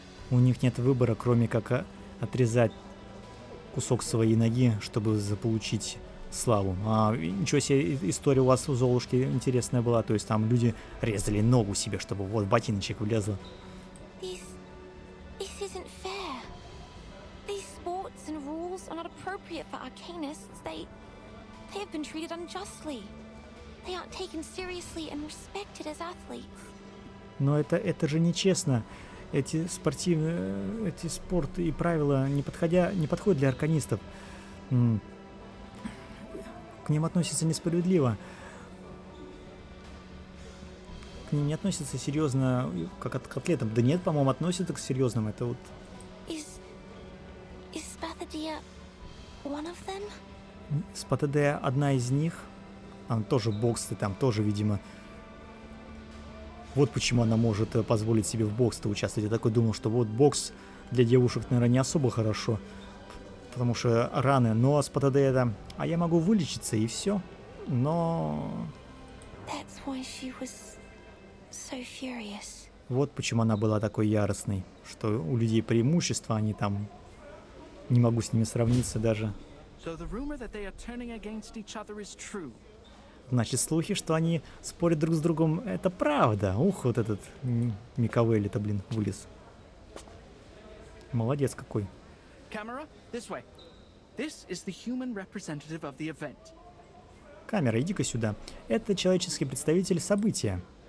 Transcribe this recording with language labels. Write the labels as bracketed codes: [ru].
[ru] У них нет выбора, кроме как отрезать кусок своей ноги, чтобы заполучить славу. А ничего себе, история у вас у Золушки интересная была, то есть там люди резали ногу себе, чтобы вот ботиночек влезло. [en] This isn't fair. These sports and rules are not appropriate for arcanists. They have been treated unjustly. They aren't taken seriously and respected as athletes. [ru] Но это же нечестно. Эти спорты и правила не подходят для арканистов. К ним относятся несправедливо. К ним не относятся серьезно, как к атлетам. Да нет, по-моему, относятся к серьезным. Это вот. [en] Is Spathidia one of them? [ru] Spathidia одна из них. Она тоже бокс, ты там тоже, видимо. Вот почему она может позволить себе в боксе-то участвовать. Я такой думал, что вот бокс для девушек, наверное, не особо хорошо. Потому что раны. Но с ПТД это... А я могу вылечиться, и все. Но... [en] That's why she was so furious. [ru] Вот почему она была такой яростной. Что у людей преимущество, они там... Не могу с ними сравниться даже. [en] So the rumor that they are turning against each other is true. [ru] Значит, слухи, что они спорят друг с другом, это правда. Ух, вот этот Микавелли-то, блин, вылез. Молодец какой. [en] Camera, this way. This is the human representative of the event. [ru] Камера, иди-ка сюда. Это человеческий представитель события.